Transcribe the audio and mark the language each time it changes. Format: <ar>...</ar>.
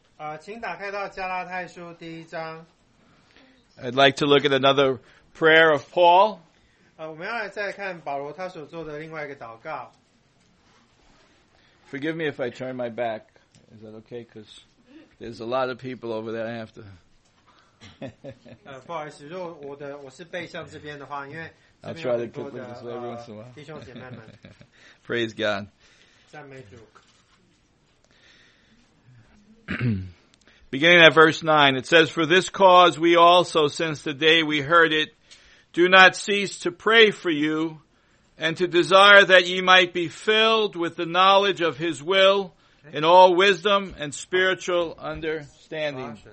<en>I'd like to look at another prayer of Paul. Forgive me if I turn my back. Is that okay? Because there's a lot of people over there. I have to.</en> <zh>不好意思，如果我是背向这边的话，因为</zh> <en>I'll try to put this every once in a while.</en> <zh>弟兄姐妹们。</zh> <en>Praise God.</en> <zh>赞美主。</zh> <en>Beginning at verse 9, it says, "For this cause we also, since the day we heard it, do not cease to pray for you, and to desire that ye might be filled with the knowledge of His will in all wisdom and spiritual understanding."</en>